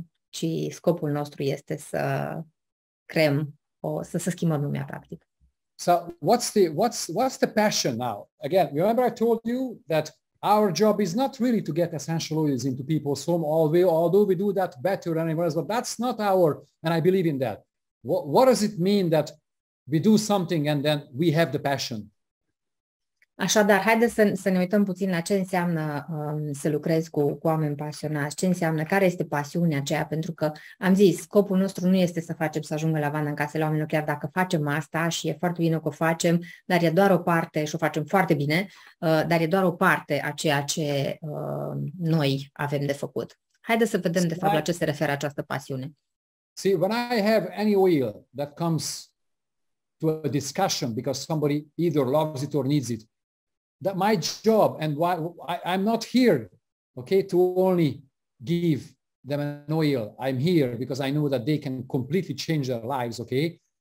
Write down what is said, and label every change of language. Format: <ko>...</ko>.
<ro>Ci scopul nostru este să creăm o să schimbăm lumea practic.</ro> <en>So what's the passion now? Again, remember I told you that our job is not really to get essential oils into people's home, although we do that better than anyone else, but that's not our, and I believe in that. What does it mean that we do something and then we have the passion?</en> <ro>Așadar, haideți să ne uităm puțin la ce înseamnă să lucrezi cu oameni pasionați, ce înseamnă, care este pasiunea aceea, pentru că am zis, scopul nostru nu este să facem să ajungă lavanda în casele oamenilor, chiar dacă facem asta și e foarte bine că o facem, dar e doar o parte și o facem foarte bine, dar e doar o parte a ceea ce noi avem de făcut. Haideți să vedem, de fapt, la ce se referă această pasiune.</ro> <en>See, when I have any oil that comes to a discussion because somebody either loves it or needs it, that my job and why I'm not here, okay, to only give them an oil. I'm here because I know that they can completely change their lives, okay?</en>